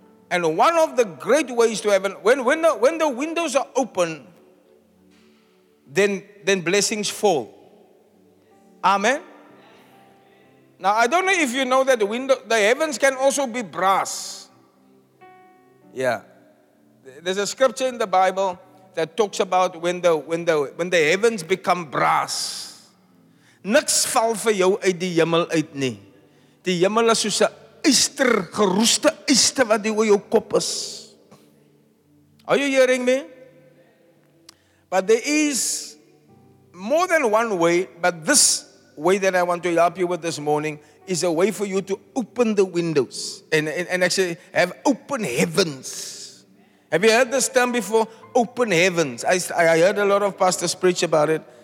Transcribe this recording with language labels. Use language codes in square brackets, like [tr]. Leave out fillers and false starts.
[en] And one of the great ways to heaven, when the windows are open, then blessings fall. Amen. Now, I don't know if you know that the heavens can also be brass. Yeah. There's a scripture in the Bible that talks about when the heavens become brass. [af] Niks val vir jou uit die hemel uit nie. Die hemel is soos 'n yster, geroeste yster wat oor jou kop is. [en] Are you hearing me? But there is more than one way, but this way that I want to help you with this morning is a way for you to open the windows and actually have open heavens. Have you heard this term before? Open heavens. I heard a lot of pastors preach about it.